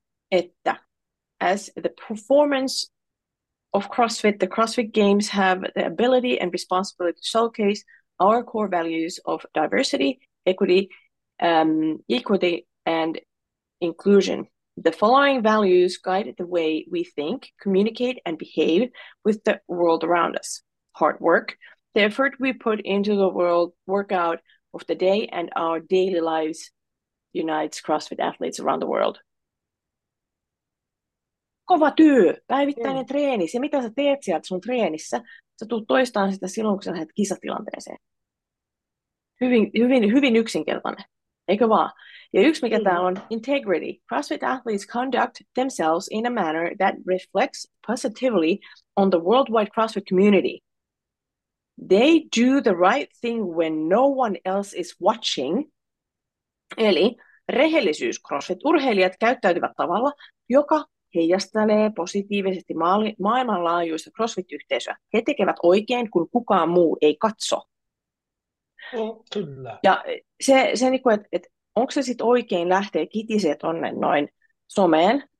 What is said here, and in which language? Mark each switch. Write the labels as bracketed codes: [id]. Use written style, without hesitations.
[en] että as the performance of CrossFit, the CrossFit Games have the ability and responsibility to showcase our core values of diversity, equity, equity and inclusion. The following values guide the way we think, communicate and behave with the world around us. Hard work. The effort we put into the world workout of the day and our daily lives unites CrossFit athletes around the world. [fi] Kova työ, päivittäinen treeni. Se, mitä sä teet sieltä sun treenissä, sä tuut toistamaan sitä silloin, kun sä lähdet kisatilanteeseen. Hyvin, hyvin, hyvin yksinkertainen, eikö vaan? Ja yksi, mikä täällä on, integrity. CrossFit athletes conduct themselves in a manner that reflects positively on the worldwide CrossFit community. They do the right thing when no one else is watching. Eli rehellisyys, CrossFit-urheilijat käyttäytyvät tavalla, joka heijastelee positiivisesti maailmanlaajuista CrossFit-yhteisöä. He tekevät oikein, kun kukaan muu ei katso. No, kyllä. Ja se niin kuin, että onko se sitten oikein lähteä kitisee tuonne noin someen?